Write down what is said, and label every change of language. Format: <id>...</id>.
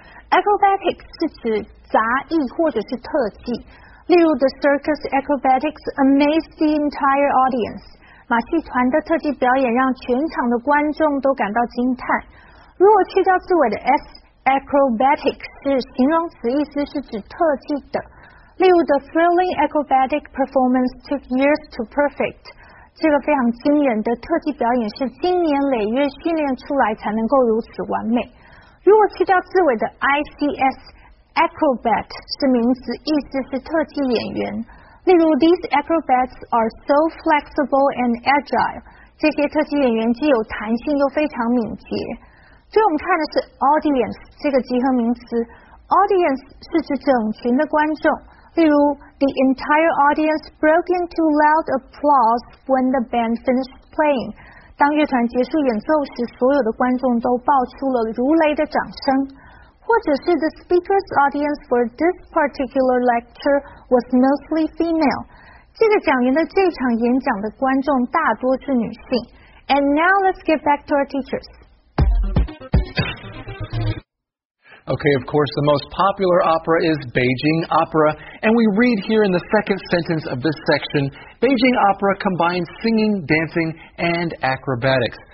<zh>Acrobatics 是指杂役或者是特技。例如</zh> <en>the circus acrobatics amazed the entire audience.</en> <zh>马戏团的特技表演让全场的观众都感到惊叹。如果去掉字尾的 s, acrobatics 是形容词，意思是指特技的。例如</zh> <en>the thrilling acrobatic performance took years to perfect.</en> <zh>这个非常惊人的特技表演是经年累月训练出来才能够如此完美。如果去掉字尾的 ics, acrobat 是名词，意思是特技演员。例如 ，</zh> <en>these acrobats are so flexible and agile.</en> <zh>这些特技演员既有弹性又非常敏捷。最后我们看的是 audience 这个集合名词。audience 是指整群的观众。例如 ，</zh> <en>the entire audience broke into loud applause when the band finished playing.</en> <zh>当乐团结束演奏时，所有的观众都爆出了如雷的掌声，或者是</zh> <en>The speaker's audience for this particular lecture was mostly female.</en> <zh>这个讲员的这场演讲的观众大多是女性。</zh> <en>And now let's get back to our teachers. Okay, of course, the most popular opera is Beijing Opera. And we read here in the second sentence of this section, Beijing Opera combines singing, dancing, and acrobatics.</en>